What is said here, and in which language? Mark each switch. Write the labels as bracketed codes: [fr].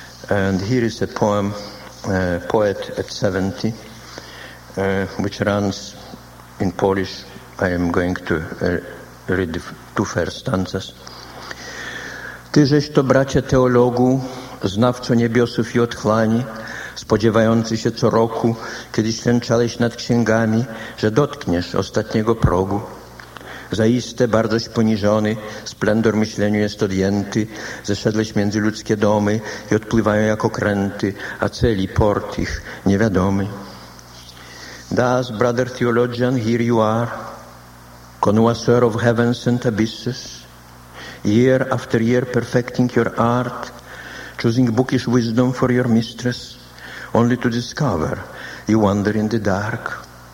[en] And here is a poem, Poet at 70, which runs in Polish. I am going to read the two first stanzas. [pl] Ty żeś to, bracie teologu, znawco niebiosów i otchłani, spodziewający się co roku, kiedyś tęczałeś nad księgami, że dotkniesz ostatniego progu. Zaiste, bardzoś poniżony, splendor myśleniu jest odjęty, zeszedłeś między ludzkie domy i odpływają jak okręty, a celi port ich niewiadomy. [en] Thus, brother theologian, here you are, connoisseur of heavens and abysses, year after year perfecting your art, choosing bookish wisdom for your mistress, only to discover you wander in the dark.